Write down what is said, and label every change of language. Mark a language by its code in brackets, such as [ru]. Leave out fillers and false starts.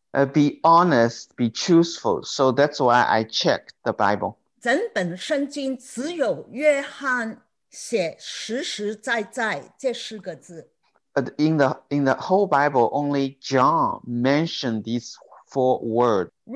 [en] Be honest, be truthful So that's why I checked the Bible [zh] 整本圣经只有约翰写实实在在这四个字 [en] In the whole Bible, only John mentioned these four words.